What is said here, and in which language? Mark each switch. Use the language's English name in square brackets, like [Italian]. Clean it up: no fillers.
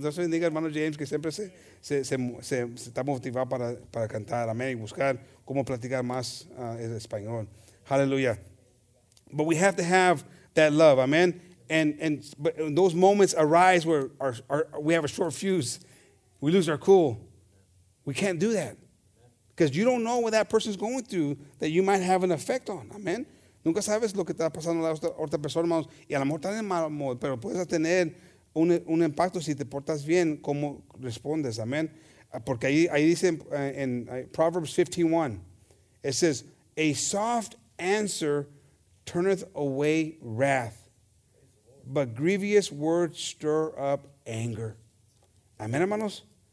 [Spanish] Dios bendiga, hermano James, que siempre se está motivado para cantar. Amén. Y buscar cómo platicar más español. Hallelujah. [English] But we have to have that love, amen? But those moments arise where we have a short fuse. We lose our cool. We can't do that. Because you don't know what that person's going through that you might have an effect on, amen? [Spanish] Nunca sabes lo que está pasando la otra persona, hermanos. Y a lo mejor están en mal modo, pero puedes tener un impacto si te portas bien, cómo respondes, amen? Porque ahí dice en [English] Proverbs 15:1, it says, a soft answer turneth away wrath, but grievous words stir up anger. [Spanish] Amén, hermanos.